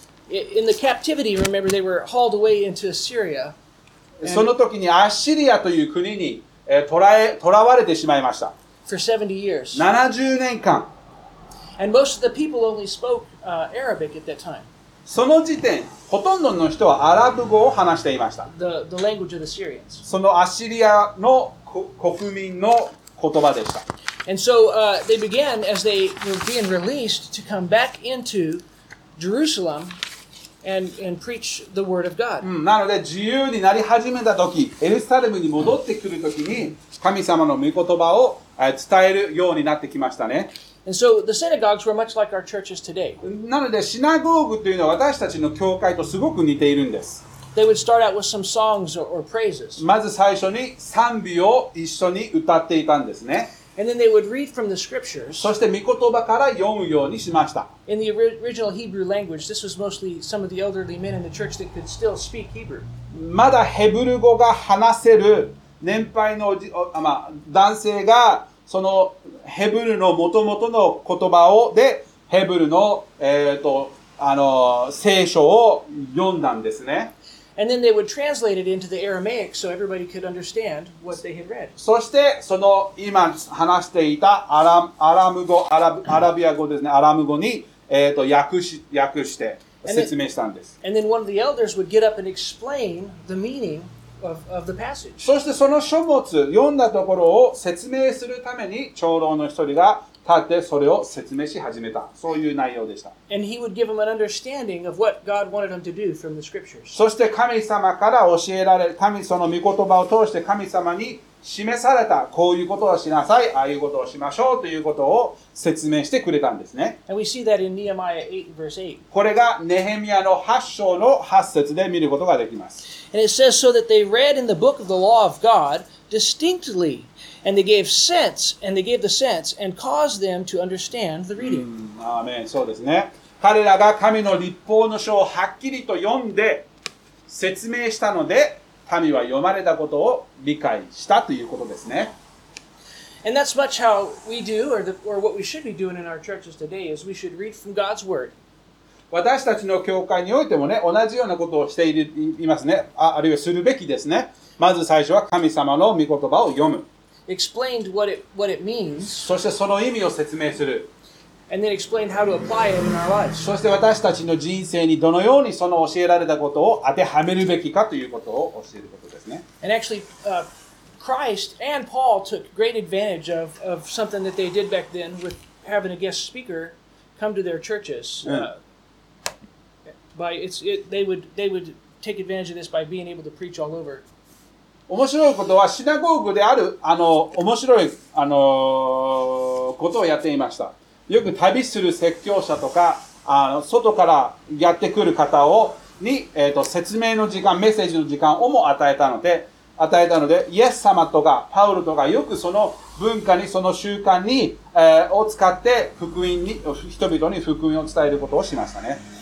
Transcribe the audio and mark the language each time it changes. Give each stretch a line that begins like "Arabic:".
English: In the captivity, remember, they were hauled away into Assyria.
Japanese: その時にアッシリアという国に捕らわれてしまいました。
English: For 70 years.
Japanese: 70年間。
English: And most of the people only spoke, Arabic at that time.
Japanese: その時点、ほとんどの人はアラブ語を話していました。
English: The language of the Syrians.
Japanese: そのアッシリアの国民の言葉でした。
English: And so, they began as they were being released to come back into Jerusalem. And preach the word of God.
Japanese: なので自由になり始めた時、エルサレムに戻ってくる時に神様の御言葉を伝えるようになってきましたね。
English: And so the synagogues were much like our churches today.
Japanese: なのでシナゴーグというのは私たちの教会とすごく似ているんです。
English: They would start out with some songs or praises.
Japanese: まず最初に賛美を一緒に歌っていたんですね。
English: And then they would read from the scriptures.
Japanese: そして御言葉から読むようにしました。
English: In the original Hebrew language, this was mostly some of the elderly men in the church that could still speak Hebrew.
Japanese: まだヘブル語が話せる年配の男性がそのヘブルの元々の言葉をでヘブルの聖書を読んだんですね。
English: And then they would translate it into the Aramaic so everybody could understand what they had read.
Japanese: そしてその今話していたアラビア語ですね、アラム語に訳して説明したんです。
English: And then one of the elders would get up and explain the meaning of the passage.
Japanese: そしてその書物読んだところを説明するために長老の一人が立ってそれを説明し始めた。そういう内容でした。
English: And he would give him an understanding of what God wanted him to do from the scriptures.
Japanese: そして神様から教えられ、神その御言葉を通して神様に示された、こういうことをしなさい、ああいうことをしましょうということを説明してくれたんですね。
English: And we see that in Nehemiah 8 verse 8.
Japanese: これがネヘミヤの8章の8節で見ることができます。
English: And it says so that they read in the book of the law of God distinctly. And they gave sense, and they gave the sense, and caused them to understand the reading.
Japanese: Amen. そうですね。彼らが神の律法の書をはっきりと読んで、説明したので、民は読まれたことを理解したということですね。
English: And that's much how we do, or what we should be doing in our churches today, is we should read from God's word.
Japanese: 私たちの教会においてもね、同じようなことをしていますね。あるいはするべきですね。まず最初は神様の御言葉を読む。
English: Explained what it means.
Japanese: そしてその意味を説明する。
English: And then explain how to apply it in our lives.
Japanese: そして私たちの人生にどのようにその教えられたことを当てはめるべきかということを教えることですね。
English: And actually, Christ and Paul took great advantage of something that they did back then with having a guest speaker come to their churches. They would take advantage of this by being able to preach all over.
Japanese: 面白いことはシナゴーグであるあの面白いあのことをやっていました。よく旅する説教者とかあの外からやってくる方をに、説明の時間、メッセージの時間をも与えたので、イエス様とかパウルとかよくその文化に、その習慣に、を使って福音に、人々に福音を伝えることをしましたね。